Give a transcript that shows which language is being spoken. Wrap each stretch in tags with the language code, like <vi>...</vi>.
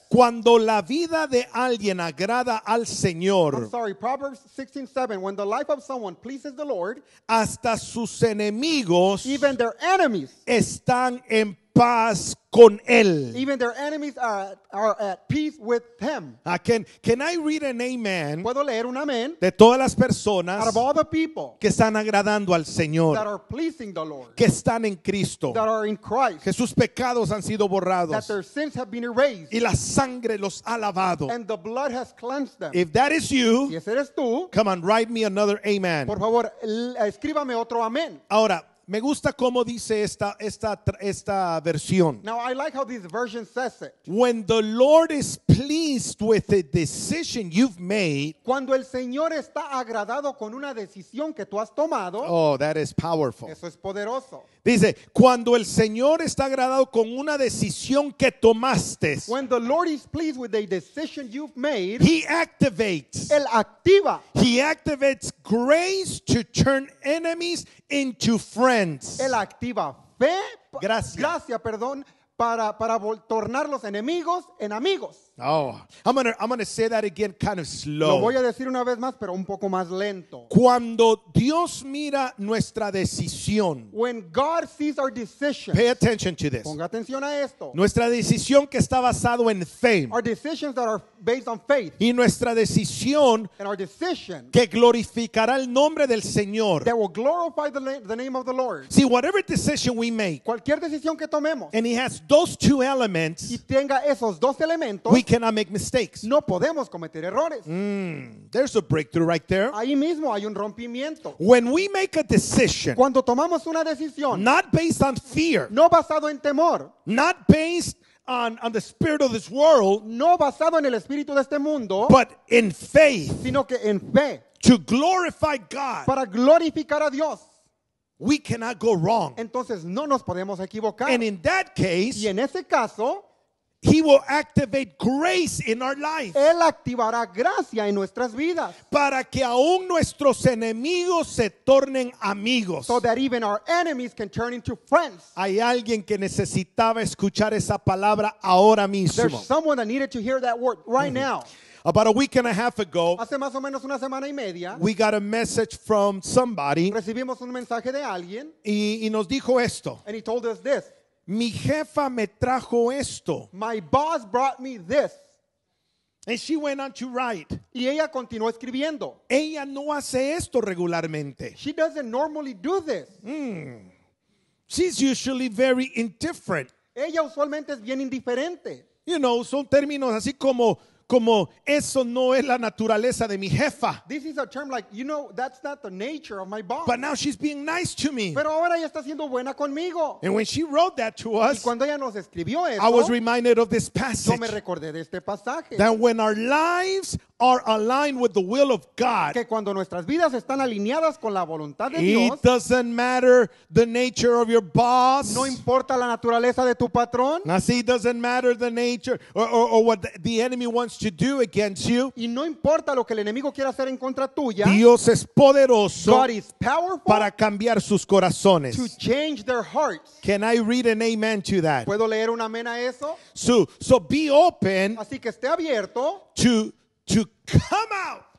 <es>cuando la vida de alguien agrada al Señor,</es> <en>I'm sorry, Proverbs 16:7, when the life of someone pleases the Lord,</en> <es>hasta sus enemigos,</es> <en>even their enemies,</en> <es>están en paz con él.</es> <en>Even their enemies are at peace with him. Can I read an amen?</en> <es>¿Puedo leer un amen? De todas las personas,</es> <en>out of all the people,</en> <es>que están agradando al Señor,</es> <en>that are pleasing the Lord,</en> <es>que están en Cristo,</es> <en>that are in Christ,</en> <es>que sus pecados han sido borrados,</es> <en>that their sins have been erased,</en> <es>y la sangre los ha lavado,</es> <en>and the blood has cleansed them. If that is you,</en> <es>si ese eres tú,</es> <en>come on, write me another amen.</en> <es>Por favor, escríbame otro amen. Ahora, me gusta cómo dice esta versión.</es> <en>Now I like how this version says it. When the Lord is pleased with a decision you've made.</en> <es>Cuando el Señor está agradado con una decisión que tú has tomado.</es> <en>Oh, that is powerful.</en> <es>Eso es poderoso. Dice, cuando el Señor está agradado con una decisión que tomaste.</es> <en>When the Lord is pleased with a decision you've made. He activates.</en> <es>Él activa.</es> <en>He activates grace to turn enemies into friends.</en> <es>Él activa fe. Gracias. Gracias, perdón. Para tornar los enemigos en amigos.</es> <en>Oh, I'm gonna say that again kind of slow.</en> <es>Lo voy a decir una vez más, pero un poco más lento. Cuando Dios mira nuestra decisión.</es> <en>When God sees our decision. Pay attention to this.</en> <es>Ponga atención a esto. Nuestra decisión que está basado en fe.</es> <en>Our decisions that are based on faith.</en> <es>Y nuestra decisión.</es> <en>And our decision.</en> <es>Que glorificará el nombre del Señor.</es> <en>That will glorify the name of the Lord. See, whatever decision we make.</en> <es>Cualquier decisión que tomemos.</es> <en>And he has those two elements.</en> <es>Y tenga esos dos elementos.</es> <en>We cannot make mistakes.</en> <es>No podemos cometer errores.</es> <en>There's a breakthrough right there.</en> <es>Ahí mismo hay un rompimiento.</es> <en>When we make a decision.</en> <es>Cuando tomamos una decisión.</es> <en>Not based on fear.</en> <es>No basado en temor.</es> <en>Not based on the spirit of this world.</en> <es>No basado en el espíritu de este mundo.</es> <en>But in faith.</en> <es>Sino que en fe.</es> <en>To glorify God.</en> <es>Para glorificar a Dios.</es> <en>We cannot go wrong.</en> <es>Entonces no nos podemos equivocar.</es> <en>And in that case.</en> <es>Y en ese caso.</es> <en>He will activate grace in our life.</en> <es>Él activará gracia en nuestras vidas. Para que aún nuestros enemigos se tornen amigos.</es> <en>So that even our enemies can turn into friends.</en> <es>Hay alguien que necesitaba escuchar esa palabra ahora mismo.</es> <en>There's someone that needed to hear that word right now. About a week and a half ago,</en> <es>hace más o menos una semana y media,</es> <en>we got a message from somebody.</en> <es>Recibimos un mensaje de alguien, y nos dijo esto.</es> <en>And he told us this.</en> <es>Mi jefa me trajo esto.</es> <en>My boss brought me this. And she went on to write.</en> <es>Y ella continuó escribiendo. Ella no hace esto regularmente.</es> <en>She doesn't normally do this. She's usually very indifferent.</en> <es>Ella usualmente es bien indiferente. You know, son términos así como eso no es la naturaleza de mi jefa.</es> <en>This is a term like, you know, that's not the nature of my boss. But now she's being nice to me.</en> <es>Pero ahora ella está siendo buena conmigo.</es> <en>And when she wrote that to us,</en> <es>y cuando ella nos escribió eso,</es> <en>I was reminded of this passage.</en> <es>Yo me recordé de este pasaje.</es> <en>That when our lives are aligned with the will of God,</en> <es>que cuando nuestras vidas están alineadas con la voluntad de</es> <en>it</en> <es>Dios,</es> <en>it doesn't matter the nature of your boss.</en> <es>No importa la naturaleza de tu patrón.</es> <en>Now see, it doesn't matter the nature or what the enemy wants to do against you.</en> <es>Y no importa lo que el enemigo quiera hacer en contra tuya. Dios es poderoso.</es> <en>God is powerful.</en> <es>Para cambiar sus corazones.</es> <en>To change their hearts. Can I read an amen to that?</en> <es>¿Puedo leer un amén a eso?</es> <en>So be open.</en> <es>Así que esté abierto.</es> <en>To come out.</en>